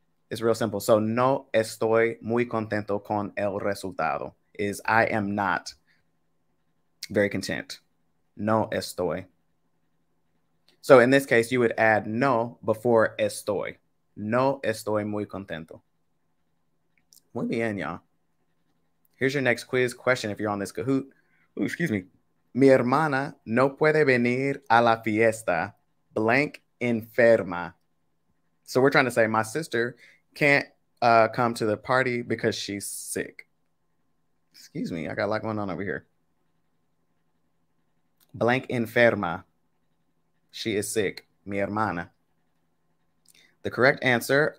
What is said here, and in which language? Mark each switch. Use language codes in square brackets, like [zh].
[en] It's real simple. So [es] no estoy muy contento con el resultado [en] is I am not very content. [es] No estoy. [en] So in this case, you would add no before estoy. [es] No estoy muy contento. Muy bien, [en] y'all. Here's your next quiz question if you're on this Kahoot. Ooh, excuse me. [es] Mi hermana no puede venir a la fiesta, blank enferma. [en] So we're trying to say my sister can't come to the party because she's sick. Excuse me, I got a lot going on over here. Blank enferma. She is sick. [es] Mi hermana. [en] The correct answer.